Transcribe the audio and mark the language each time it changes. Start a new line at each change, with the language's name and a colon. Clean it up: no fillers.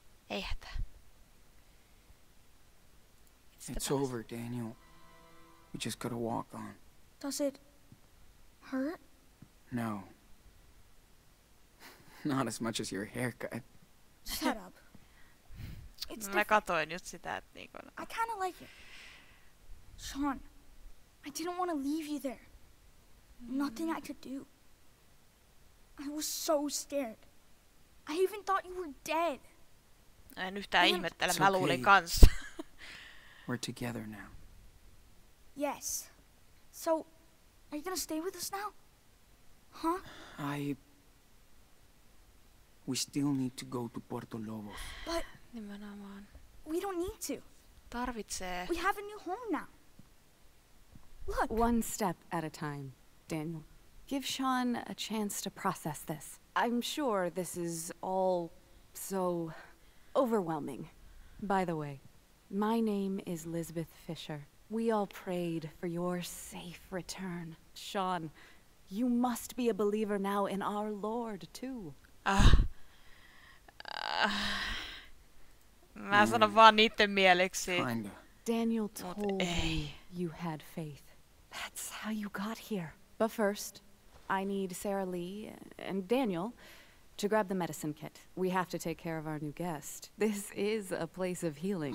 Finnish: Ei hätä.
English: It's over, Daniel. We just gotta walk on. Does it... hurt? No. Not as much as your haircut. Shut up.
Finnish: It's mä katoin just sitä, että niinku...
English: I kinda like it. Sean, I didn't want to leave you there. Nothing I could do. I was so scared. I even thought you were dead.
Finnish: En yhtään ihmettele, mä luulin kanssa.
English: We're together now. Yes. So, are you gonna stay with us now? Huh? We still need to go to Puerto Lobos. But...
Finnish: Nimenomaan.
English: We don't need to.
Finnish: Tarvitsee.
English: We have a new home now. Look. One step at a time, Daniel. Give Sean a chance to process this. I'm sure this is all so overwhelming. By the way, my name is Lisbeth Fisher. We all prayed for your safe return. Sean, you must be a believer now in our Lord, too.
Finnish: Mä sanon vaan niitten mieleksi.
English: Daniel told me you had faith. That's how you got here. But first, I need Sarah Lee and Daniel to grab the medicine kit. We have to take care of our new guest. This is a place of healing.